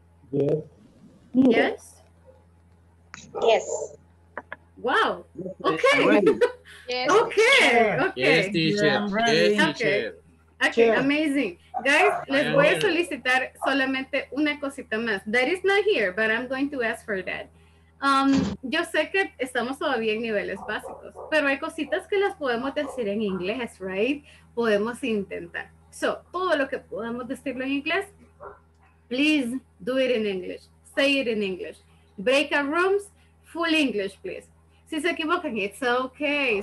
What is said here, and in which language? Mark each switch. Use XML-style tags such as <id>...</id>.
<en>Yes. Yes. Yes. Wow. Okay. Yes. Okay. Okay. Yes, teacher. Yes, teacher. Okay. Amazing.</en> <es>Guys, les voy a solicitar solamente una cosita más.</es> <en>That is not here, but I'm going to ask for that.</en> <es>Yo sé que estamos todavía en niveles básicos, pero hay cositas que las podemos decir en inglés, right? Podemos intentar.</es> <en>So,</en> <es>todo lo que podamos decirlo en inglés,</es> <en>please do it in English. Say it in English. Breakout rooms, full English, please.</en> <es>Si se equivocan,</es> <en>it's okay.</en>